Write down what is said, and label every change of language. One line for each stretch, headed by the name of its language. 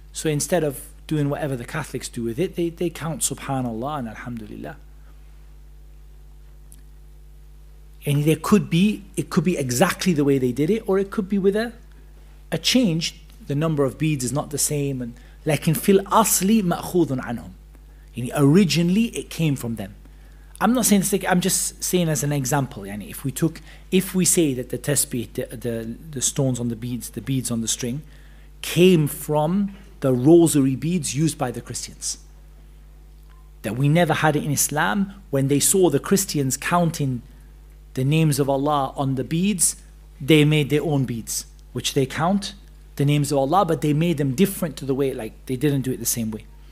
English: So instead of doing whatever the Catholics do with it, they count Subhanallah and Alhamdulillah. And there could be, it could be exactly the way they did it, or it could be with a change. The number of beads is not the same.
Arabic: And لكن في الأصل مأخوذ عنهم.
English: Originally, it came from them. I'm not saying this, I'm just saying as an example. يعني if we took, if we say that the tasbih, the stones on the beads on the string, came from the rosary beads used by the Christians. That we never had it in Islam, when they saw the Christians counting the names of Allah on the beads, they made their own beads, which they count the names of Allah, but they made them different to the way, like they didn't do it the same way.